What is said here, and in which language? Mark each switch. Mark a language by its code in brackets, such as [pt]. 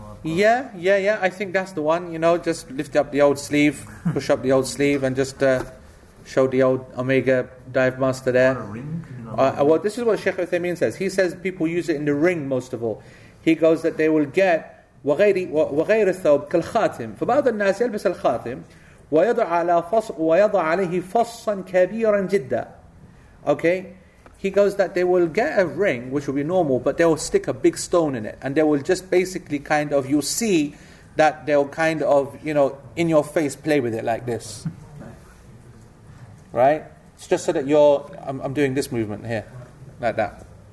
[en] you know, yeah, yeah, yeah. I think that's the one. You know, just lift up the old sleeve, push up the old sleeve, and just show the old Omega Dive Master there. A ring, well, this is what Sheikh Uthaymeen says. He says people use it in the ring most of all. He goes that they will get [ar] وغير الثوب كالخاتم. فبعض الناس يلبس الخاتم ويضع على فص ويضع عليه فصا كبيرا جدا. [en] Okay. He goes that they will get a ring, which will be normal, but they will stick a big stone in it. And they will just basically kind of, you'll see that they'll kind of, you know, in your face, play with it like this. Right? It's just so that you're, I'm doing this movement here, like that.